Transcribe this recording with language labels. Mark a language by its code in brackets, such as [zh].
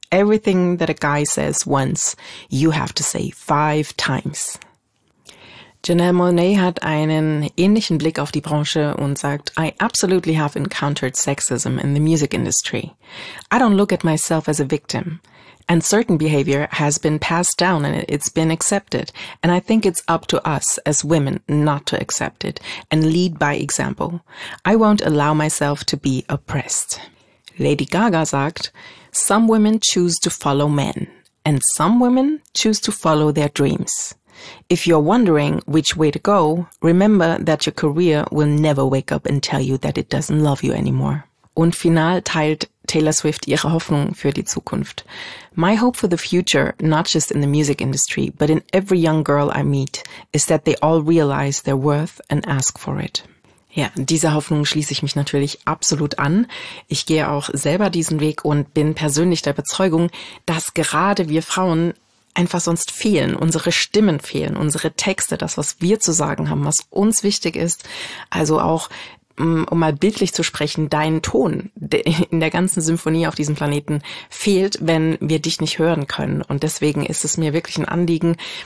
[en] Everything that a guy says once, you have to say five times. [de] Janelle Monáe hat einen ähnlichen Blick auf die Branche und sagt: [en] I absolutely have encountered sexism in the music industry. I don't look at myself as a victim. And certain behavior has been passed down and it's been accepted. And I think it's up to us as women not to accept it and lead by example. I won't allow myself to be oppressed. Lady Gaga [de] sagt, [en] some women choose to follow men and some women choose to follow their dreams. If you're wondering which way to go, remember that your career will never wake up and tell you that it doesn't love you anymore. [de] Und final teilt Taylor Swift ihre Hoffnung für die Zukunft. [en] My hope for the future, not just in the music industry, but in every young girl I meet, is that they all realize their worth and ask for it. [de] Ja, dieser Hoffnung schließe ich mich natürlich absolut an. Ich gehe auch selber diesen Weg und bin persönlich der Überzeugung, dass gerade wir Frauen einfach sonst fehlen, unsere Stimmen fehlen, unsere Texte, das, was wir zu sagen haben, was uns wichtig ist, also auch um mal bildlich zu sprechen, dein Ton in der ganzen Symphonie auf diesem Planeten fehlt, wenn wir dich nicht hören können. Und deswegen ist es mir wirklich ein Anliegen,